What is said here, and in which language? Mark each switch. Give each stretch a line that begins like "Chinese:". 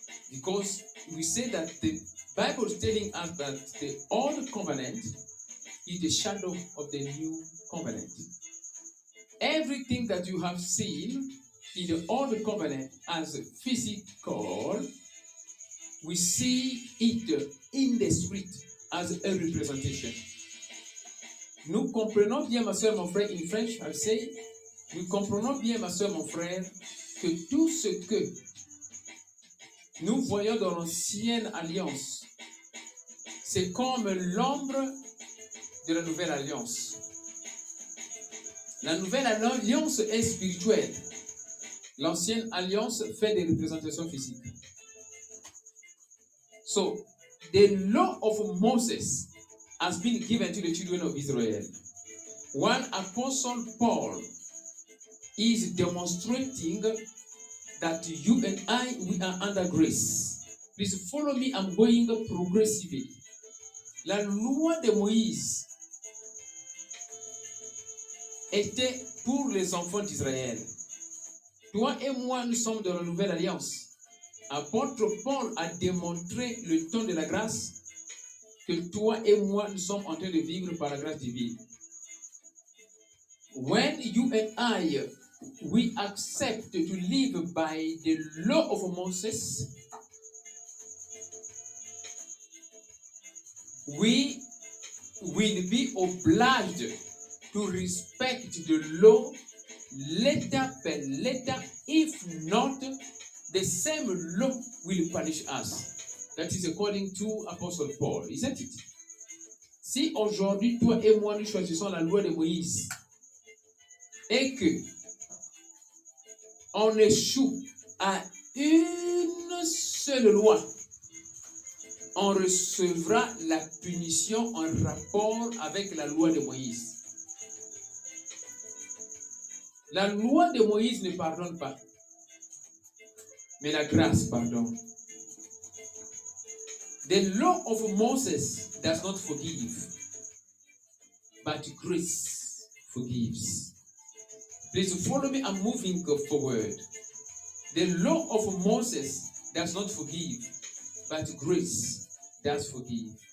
English: Because we say that the Bible is telling us that the old covenant is the shadow of the new covenant. Everything that you have seen in the old covenant as physical, we see it in the spirit as a representation.
French: Nous comprenons bien, ma soeur, mon frère,
English: in French, I say,
French: nous comprenons bien, ma soeur, mon frère, que tout ce que nous voyons dans l'ancienne alliance, c'est comme l'ombre de la nouvelle alliance. La nouvelle alliance est spirituelle. L'ancienne alliance fait des représentations physiques.
English: So, the law of Moses has been given to the children of Israel. While Apostle Paul is demonstrating that you and I, we are under grace. Please follow me, I'm going progressively.
French: La loi de Moïse était pour les enfants d'Israël. Toi et moi, nous sommes dans la nouvelle alliance. Apôtre Paul a démontré le temps de la grâce que toi et moi, nous sommes en train de vivre par la grâce divine.
English: When you and I, we accept to live by the law of Moses, we will be obliged to respect the law letter per letter. If not, the same law will punish us. That is according to Apostle Paul, isn't it?
French: Si aujourd'hui, toi et moi, nous choisissons la loi de Moïse et que on échoue à une seule loi, on recevra la punition en rapport avec la loi de Moïse. La loi de Moïse ne pardonne pas, mais la grâce pardonne.
English: The law of Moses does not forgive, but grace forgives. Please follow me, I'm moving forward. The law of Moses does not forgive, but grace does forgive.